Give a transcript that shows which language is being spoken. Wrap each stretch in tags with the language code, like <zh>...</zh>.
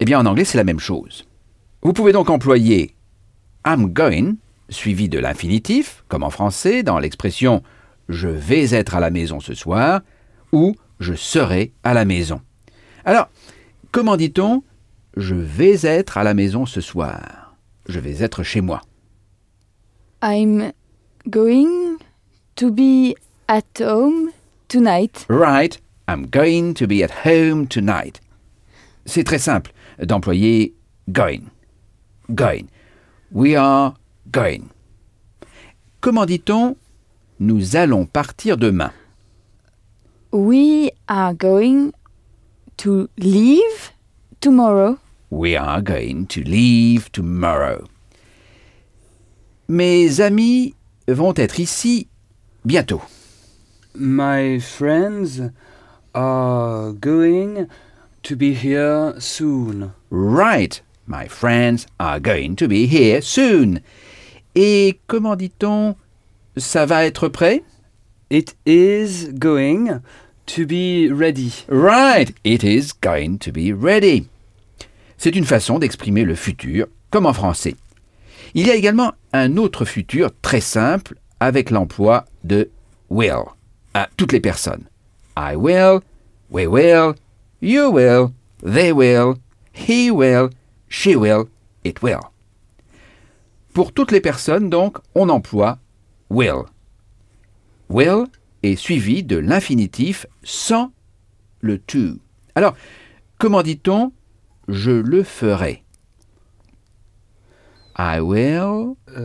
<fr>Eh bien, en anglais, c'est la même chose. Vous pouvez donc employer «</fr> <en>I'm going</en> <fr>» suivi de l'infinitif, comme en français, dans l'expression « je vais être à la maison ce soir » ou « je serai à la maison ». Alors, comment dit-on « je vais être à la maison ce soir »?« Je vais être chez moi ».</fr> <en>I'm going to be at home tonight. Right, I'm going to be at home tonight.</en> <fr>C'est très simple d'employer going. Going.</fr> <en>We are going.</en> <fr>Comment dit-on nous allons partir demain?</fr> <en>We are going to leave tomorrow. We are going to leave tomorrow.</en> <fr>Mes amis vont être ici bientôt.</fr> <en>My friends are going to be here soon. Right. My friends are going to be here soon.</en> <fr>Et comment dit-on, ça va être prêt?</fr> <en>It is going to be ready. Right. It is going to be ready.</en> <fr>C'est une façon d'exprimer le futur, comme en français. Il y a également un autre futur très simple avec l'emploi de will à toutes les personnes.</fr> <en>I will, we will, you will, they will, he will, she will, it will.</en> <fr>Pour toutes les personnes, donc, on emploie will. Will est suivi de l'infinitif sans le to. Alors, comment dit-on « je le ferai »</fr> <en>I will</en>